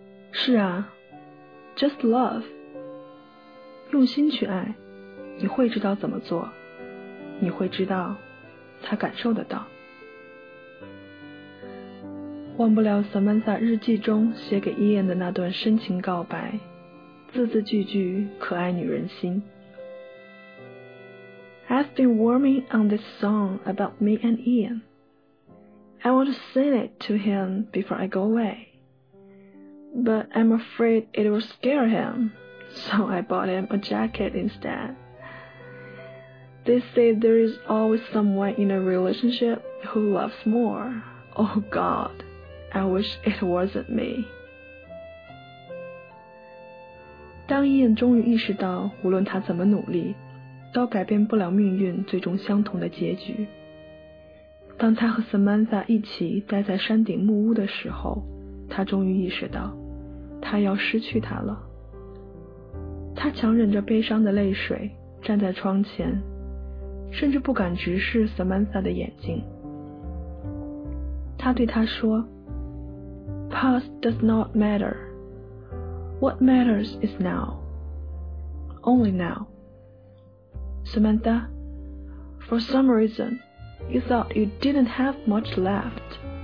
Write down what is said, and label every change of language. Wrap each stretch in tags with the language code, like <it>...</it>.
<zh>是啊， Just love，用心去爱，你会知道怎么做，你会知道他感受得到。忘不了 Samantha 日记中写给伊恩的那段深情告白，字字句句可爱女人心。</zh> <en>I've been warming on this song about me and Ian. I want to sing it to him before I go away. But I'm afraid it will scare him, so I bought him a jacket instead. They say there is always someone in a relationship who loves more. Oh God, I wish it wasn't me.</en> <zh>当 Ian 终于意识到，无论他怎么努力都改变不了命运最终相同的结局。当他和 Samantha 一起待在山顶木屋的时候，他终于意识到他要失去他了。他强忍着悲伤的泪水站在窗前，甚至不敢直视 Samantha 的眼睛。他对他说， Past does not matter.</zh> <en>What matters is now. Only now. Samantha, for some reason, you thought you didn't have much left.</en>